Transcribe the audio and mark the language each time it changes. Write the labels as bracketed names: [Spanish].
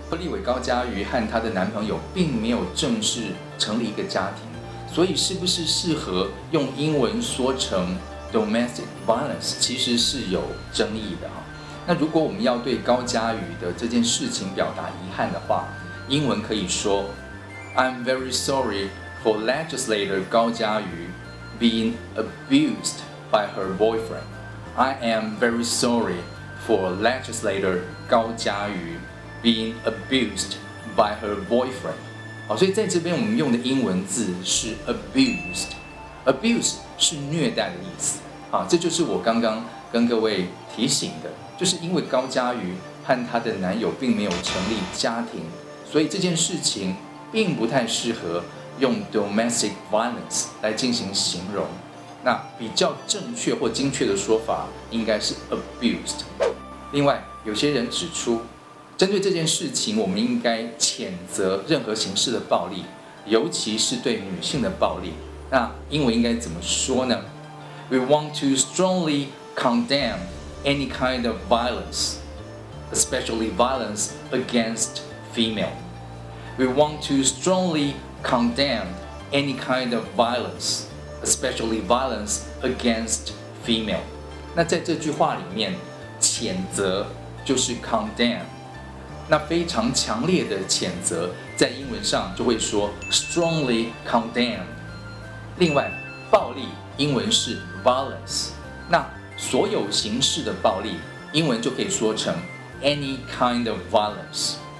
[Chinese] 立委高嘉瑜和他的男朋友并没有正式成立一个家庭，所以是不是适合用英文说成 domestic violence 其实是有争议的。那如果我们要对高嘉瑜的这件事情表达遗憾的话，英文可以说 [English] I'm very sorry for legislator 高嘉瑜 being abused by her boyfriend. I am very sorry for legislator 高嘉瑜 being abused by her boyfriend. [Chinese] 好，所以在这边我们用的英文字是 abused， abuse 是虐待的意思。好，这就是我刚刚跟各位提醒的，就是因为高嘉瑜和她的男友并没有成立家庭，所以这件事情并不太适合用 domestic violence 来进行形容。那比较正确或精确的说法应该是 abused。另外有些人指出，针对这件事情我们应该谴责任何形式的暴力，尤其是对女性的暴力。那英文应该怎么说呢？ [English] We want to strongly condemnany kind of violence, especially violence against female. We want to strongly condemn any kind of violence, especially violence against female. [Chinese] 那在这句话里面，谴责就是 condemn， 那非常强烈的谴责在英文上就会说 strongly condemn。另外暴力英文是 violence， 那所有形式的暴力英文就可以说成 any kind of violence。